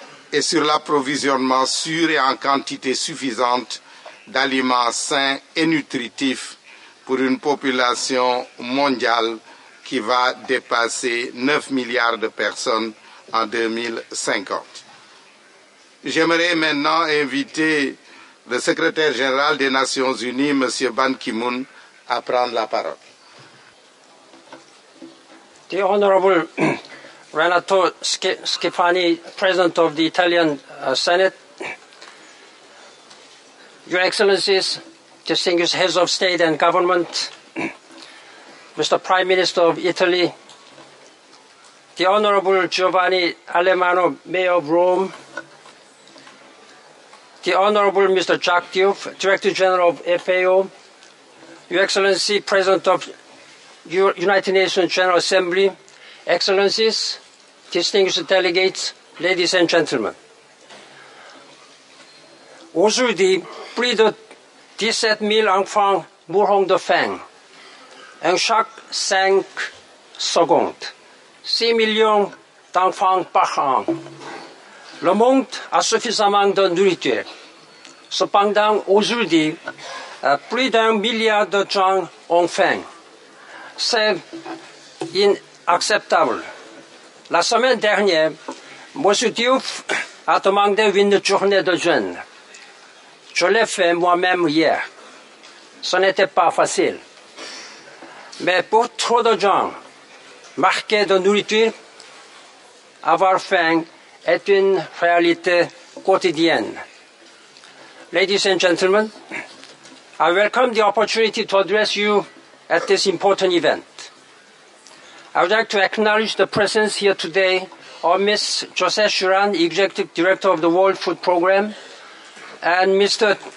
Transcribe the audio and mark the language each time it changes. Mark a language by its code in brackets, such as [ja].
[fr] et sur l'approvisionnement sûr et en quantité suffisante d'aliments sains et nutritifs pour une population mondiale qui va dépasser 9 milliards de personnes en 2050. J'aimerais maintenant inviter le secrétaire général des Nations Unies, M. Ban Ki-moon, à prendre la parole. [en] The Honorable Renato Schifani, President of the Italian Senate, Your Excellencies, distinguished heads of state and government, Mr. Prime Minister of Italy, the Honorable Giovanni Alemano, Mayor of Rome, the Honorable Mr. Jacques Diouf, Director General of FAO, Your Excellency, President of United Nations General Assembly, Excellencies, distinguished delegates, ladies and gentlemen. [fr] Aujourd'hui, plus de 17 000 enfants mourront de faim en chaque 5 secondes. 6 millions d'enfants par an. Le monde a suffisamment de nourriture. Cependant, aujourd'hui, plus d'un milliard de gens ont faim. C'est inacceptable. La semaine dernière, M. Diouf a demandé une journée de jeûne. Je l'ai fait moi-même hier. Ce n'était pas facile. Mais pour trop de gens, marqués de nourriture, avoir faim est une réalité quotidienne. [en] Ladies and gentlemen, I welcome the opportunity to address you at this important event. I would like to acknowledge the presence here today of Ms. José Churán, Executive Director of the World Food Programme, and Mr.